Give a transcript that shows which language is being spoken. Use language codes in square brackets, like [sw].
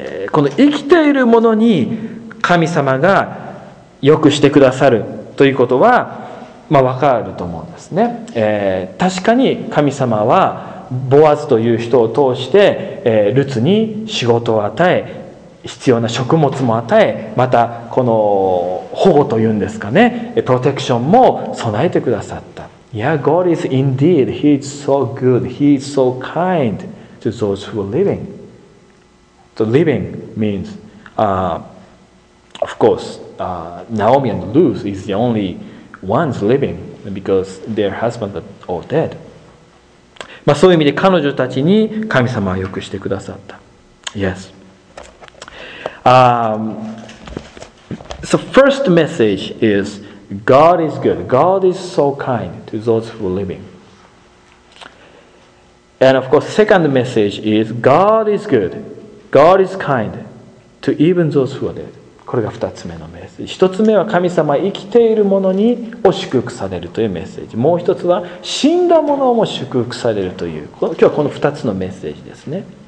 [ja] この生きているものに神様がよくしてくださるということは、まあ、分かると思うんですね。確かに神様はボアズという人を通して、ルツに仕事を与え、必要な食物も与え、またこの保護というんですかね、プロテクションも備えてくださった。 [en] Yeah, God is indeed, He is so good, He is so kind to those who are living. So living means, of course, Naomi and Ruth is the onlyOne's living because their husbands are all dead. [ja] まあそういう意味で彼女たちに神様はよくしてくださった。 [en] Yes. So first message is God is good. God is so kind to those who are living. And of course, second message is God is good. God is kind to even those who are dead. [ja] これが二つ目のメッセージ。一つ目は神様は生きているものにを祝福されるというメッセージ。もう一つは死んだものも祝福されるという。今日はこの二つのメッセージですね。